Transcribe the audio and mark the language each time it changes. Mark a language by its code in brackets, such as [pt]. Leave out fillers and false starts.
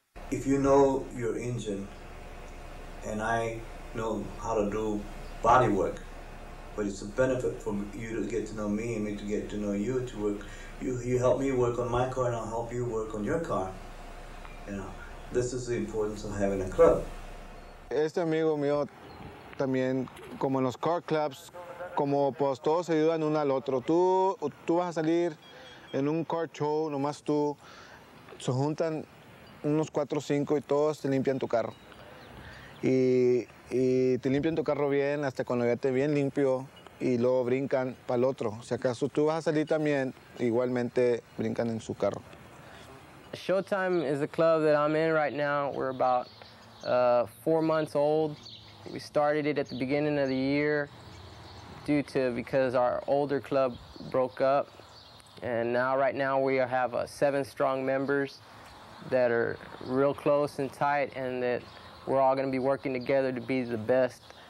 [en] If you know your engine, and I know how to do body work, but it's a benefit for you to get to know me and me to get to know you to work. You help me work on my car, and I'll help you work on your car. You know, this is the importance of having a club. [es] Este amigo mío también, como en los car clubs, como pues todos se ayudan uno al otro. Tú vas a salir en un car show, nomás tú, se juntan unos 4 o 5 y todos te limpian tu carro. Y te limpian tu carro bien hasta cuando ya te bien limpio y luego brincan para el otro. Si acaso tú vas a salir también, igualmente brincan en su carro. [en] Showtime is a club that I'm in right now. We're about 4 months old. We started it at the beginning of the year because our older club broke up. And now, right now, we have 7 strong members that are real close and tight, and that we're all gonna be working together to be the best.